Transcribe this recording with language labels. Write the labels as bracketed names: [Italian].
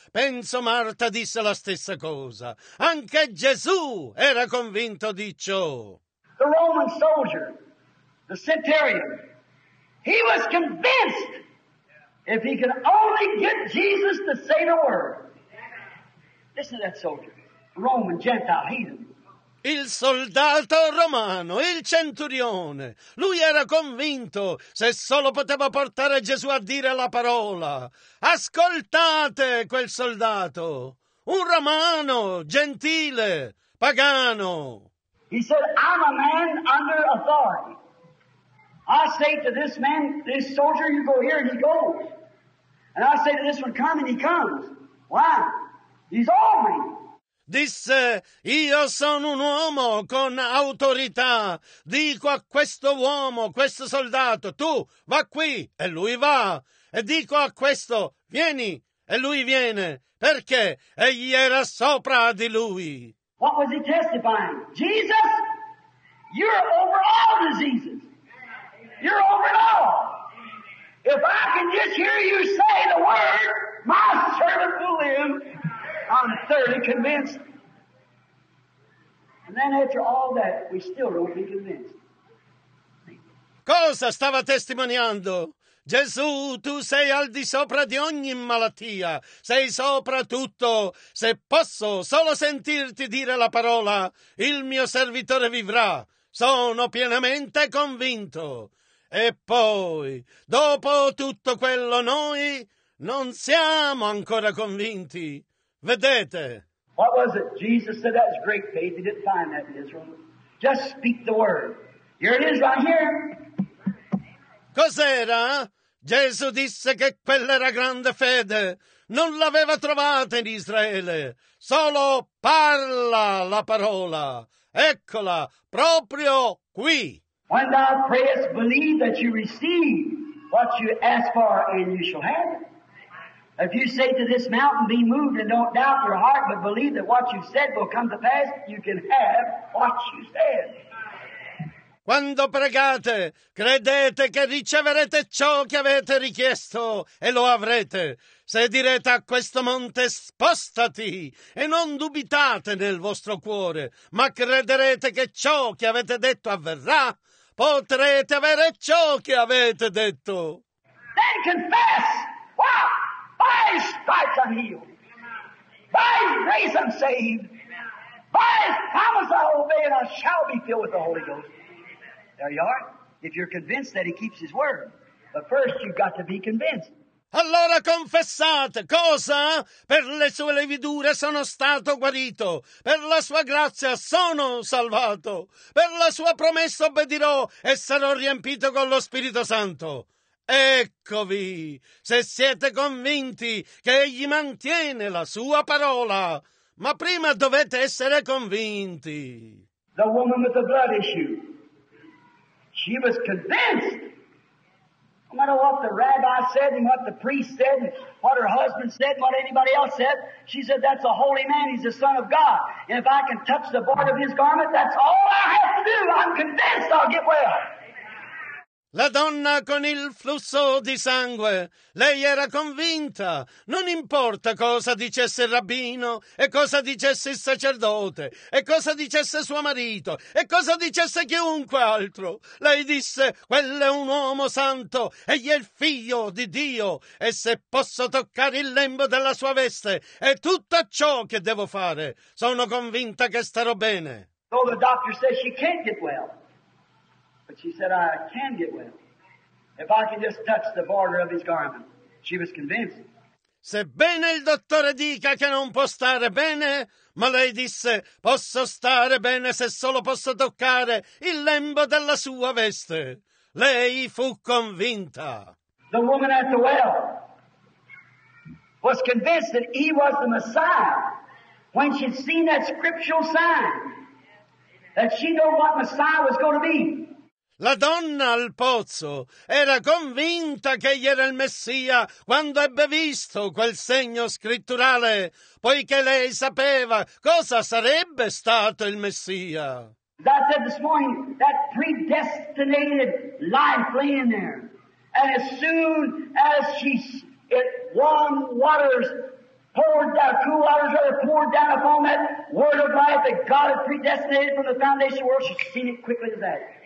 [Italian] Penso Marta disse la stessa cosa. Anche Gesù era convinto di ciò. [English] The Roman soldier, the centurion, he was convinced if he could only get Jesus to say the word. Listen to that soldier, Roman, Gentile, heathen. [Italian] Il soldato romano, il centurione, lui era convinto se solo poteva portare Gesù a dire la parola. Ascoltate quel soldato, un romano, gentile, pagano. [English] He said, I'm a man under authority. I say to this man, this soldier, you go here, and he goes. And I say to this one, come, and he comes. Why? He's all me. [Italian] Disse, io sono un uomo con autorità. Dico a questo uomo, questo soldato, tu, va qui. E lui va. E dico a questo, vieni. e lui viene perché egli era sopra di lui. [English] What was he testifying? Jesus, you're over all diseases. You're over it all. If I can just hear you say the word, my servant will live. I'm thoroughly convinced. And then after all that, we still don't be convinced. [Italian] Cosa stava testimoniando? Gesù, tu sei al di sopra di ogni malattia, sei sopra tutto. Se posso solo sentirti dire la parola, il mio servitore vivrà. Sono pienamente convinto. E poi, dopo tutto quello, noi non siamo ancora convinti. Vedete? [English] What was it? Jesus said that was great faith. He didn't find that in Israel. Just speak the word. Here it is right here. [Italian] Cos'era? Gesù disse che quella era grande fede. Non l'aveva trovata in Israele. Solo parla la parola. Eccola, proprio qui. [English] When thou prayest, believe that you receive what you ask for, and you shall have it. If you say to this mountain, be moved, and don't doubt your heart, but believe that what you said will come to pass, you can have what you said. [Italian] Quando pregate, credete che riceverete ciò che avete richiesto e lo avrete. Se direte a questo monte, spostati, e non dubitate nel vostro cuore, ma crederete che ciò che avete detto avverrà, potrete avere ciò che avete detto. [English] Then confess! Wow! By His stripes I'm healed! By His grace I'm saved! By His promise I obey and I shall be filled with the Holy Ghost! There you are, if you're convinced that he keeps his word. But first you've got to be convinced. [Italian] Allora confessate. Cosa? Per le sue lividure sono stato guarito. Per la sua grazia sono salvato. Per la sua promessa obbedirò e sarò riempito con lo Spirito Santo. Eccovi, se siete convinti che egli mantiene la sua parola. Ma prima dovete essere convinti. [English] The woman with the blood issue. She was convinced. No matter what the rabbi said and what the priest said and what her husband said and what anybody else said, she said, that's a holy man. He's the Son of God. And if I can touch the border of his garment, that's all I have to do. I'm convinced I'll get well. [Italian] La donna con il flusso di sangue, lei era convinta. Non importa cosa dicesse il rabbino, e cosa dicesse il sacerdote, e cosa dicesse suo marito, e cosa dicesse chiunque altro. Lei disse, quello è un uomo santo, egli è il figlio di Dio, e se posso toccare il lembo della sua veste, è tutto ciò che devo fare. Sono convinta che starò bene. [English] Though the doctor says she can't get well. But she said, I can get well. If I can just touch the border of his garment. She was convinced. [Italian] Sebbene il dottore dica che non può stare bene, ma lei disse, posso stare bene se solo posso toccare il lembo della sua veste. Lei fu convinta. [English] The woman at the well was convinced that he was the Messiah when she'd seen that scriptural sign that she knew what Messiah was going to be. [Italian] La donna al pozzo era convinta che egli era il Messia quando ebbe visto quel segno scritturale, poiché lei sapeva cosa sarebbe stato il Messia. [English] I said this morning, that predestinated life lay in there. And as soon as she, it warm waters poured down, cool waters that are poured down upon that word of life that God had predestinated from the foundation of the world, she's seen it quickly as that.